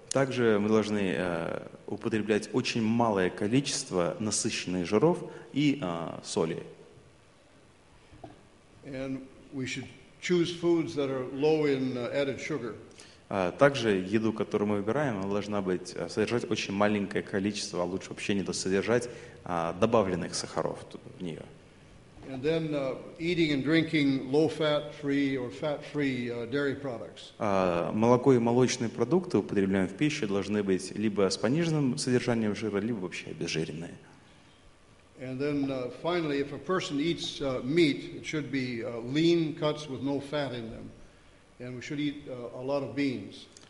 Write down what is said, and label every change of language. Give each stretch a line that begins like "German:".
Russian: Также мы должны употреблять очень малое количество насыщенных жиров и соли.
English: And we should choose foods that are low in added sugar.
Russian: Также еду, которую мы выбираем, должна быть содержать очень маленькое количество, а лучше вообще не содержать добавленных сахаров в нее.
English: And then, eating and drinking low-fat free or fat-free dairy products.
Russian: Молоко и молочные продукты, употребляемые в пищу, должны быть либо с пониженным содержанием жира, либо вообще обезжиренные.
English: And then, finally, if a person eats meat, it should be lean cuts with no fat in them. And we should eat a lot of beans.